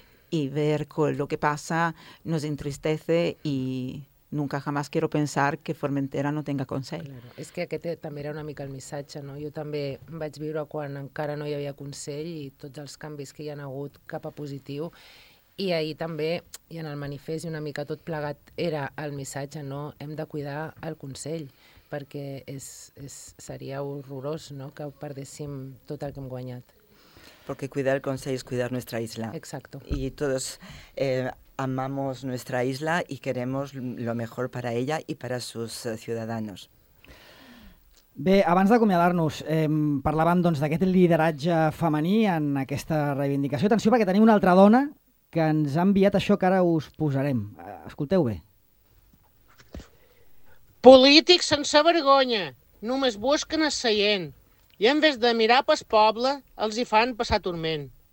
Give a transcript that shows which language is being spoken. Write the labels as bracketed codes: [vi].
[es] Y ver con lo que pasa nos entristece, y nunca jamás quiero pensar que Formentera no tenga consell. Claro. [ca] És que aquest també era una mica el missatge, no? Jo també vaig viure quan encara no hi havia consell, i tots els canvis que hi ha hagut cap a positiu. I ahir també, i en el manifest i una mica tot plegat, era el missatge, no? Hem de cuidar el consell, perquè seria horrorós, no?, que perdéssim tot el que hem guanyat. [es] Porque cuidar el consell es cuidar nuestra isla. Exacto. Y todos amamos nuestra isla y queremos lo mejor para ella y para sus ciudadanos. [ca] Bé, abans d'acomiadar-nos, parlàvem doncs d'aquest lideratge femení en aquesta reivindicació. Atenció, perquè tenim una altra dona que ens ha enviat això que ara us posarem. Escolteu bé. Polítics sense vergonya, només busquen asseient, i [es] en vez de [ca] mirar pel poble, els hi fan passar turment.